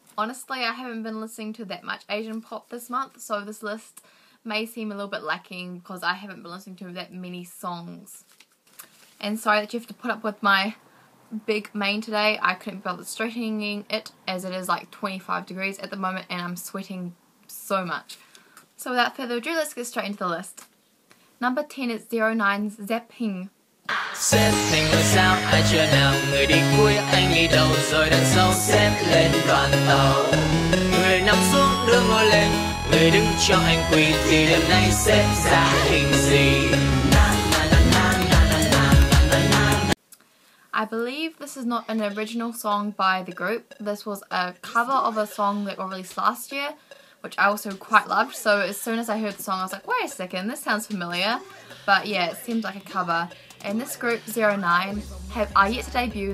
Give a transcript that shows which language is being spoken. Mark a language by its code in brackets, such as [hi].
[en] Honestly, I haven't been listening to that much Asian pop this month, so this list may seem a little bit lacking because I haven't been listening to that many songs. And sorry that you have to put up with my big mane today. I couldn't bother straightening it as it is like 25 degrees at the moment and I'm sweating so much. So without further ado, let's get straight into the list. Number 10 is 09's Zapping. Zapping the sound at your mouth, [vi] người đi cuối anh đi đâu rồi đằng sau xếp lên đoàn tàu. Người nằm xuống đưa ngồi lên, người đứng cho anh quỳ thì đêm nay sẽ ra hình gì. [en] I believe this is not an original song by the group. This was a cover of a song that got released last year, which I also quite loved. So as soon as I heard the song, I was like, wait a second, this sounds familiar. But yeah, it seems like a cover. And this group, 09, are yet to debut.